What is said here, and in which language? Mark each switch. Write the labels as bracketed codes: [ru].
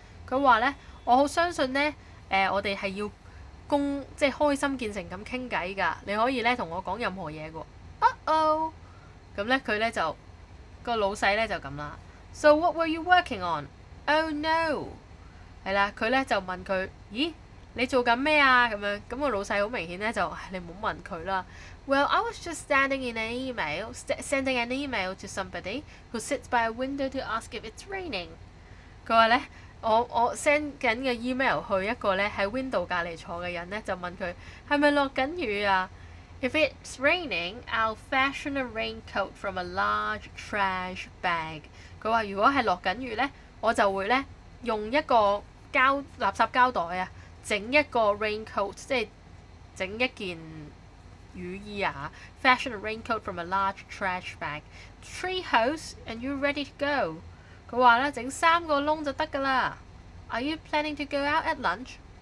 [yue] 佢話咧，我好相信咧，我哋係要。公即係開心見成咁傾偈㗎，你可以咧同我講任何嘢㗎。咁咧佢咧就個老細咧就咁啦。 [en] So what were you working on? Oh no！ [yue] 係啦，佢咧就問佢，咦，你做緊咩啊？咁樣咁個老細好明顯咧就你唔好問佢啦。 [en] Well, I was just sending an email to somebody who sits by a window to ask if it's raining。 [yue] 佢話咧。我 send 緊嘅 email 去一個咧喺 window 隔離坐嘅人咧，就問佢係咪落緊雨啊 ？ [en] If it's raining, I'll fashion a raincoat from a large trash bag。 [yue] 佢話如果係落緊雨咧，我就會咧用一個垃圾膠袋啊，整一個 raincoat， 即係整一件雨衣啊 ， [en] fashion a raincoat from a large trash bag。 Three holes and you're ready to go。 [yue] 佢話咧整三個窿就得噶啦。 [en] Are you planning to go out at lunch?